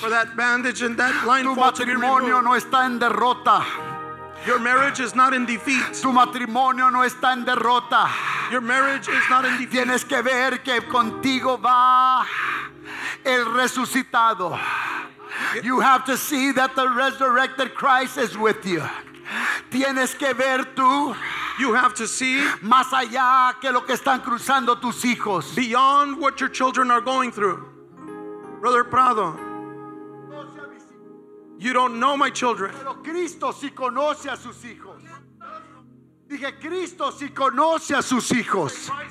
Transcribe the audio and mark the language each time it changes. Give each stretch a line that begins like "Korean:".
English: For that bandage and that blindfold
Spanish: tu matrimonio
English: to be
Spanish: no está en derrota.
English: Your marriage is not in defeat.
Spanish: Tu matrimonio no está en derrota.
English: Your marriage is not in defeat.
Spanish: Tienes que ver que contigo va el resucitado.
English: You have to see that the resurrected Christ is with you.
Spanish: Tienes que ver tú.
English: You have to see
Spanish: más allá que lo que están cruzando tus hijos.
English: Beyond what your children are going through. Brother Prado, you don't know my children.
Spanish: Pero Cristo sí conoce a sus hijos. Dije, Cristo sí conoce a sus hijos.